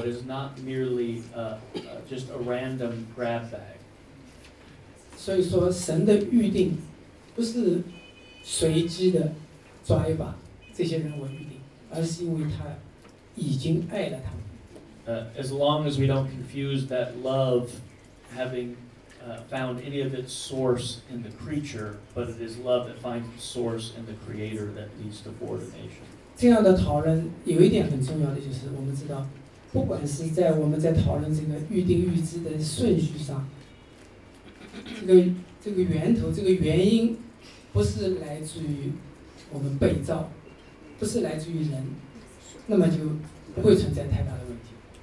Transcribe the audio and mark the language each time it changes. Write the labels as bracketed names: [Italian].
[English] It is not merely just a random grab bag. [Chinese] 所以说神的预定不是随机的抓一把这些人我预定，而是因为他已经爱了他们。 [English] As long as we don't confuse that love having found any of its source in the creature, but it is love that finds its source in the creator that leads to foreordination. [Chinese] 这样的讨论有一点很重要的就是，我们知道，不管是在我们在讨论这个预定预知的顺序上，这个源头，这个原因，不是来自于我们被造，不是来自于人，那么就不会存在太大的问题。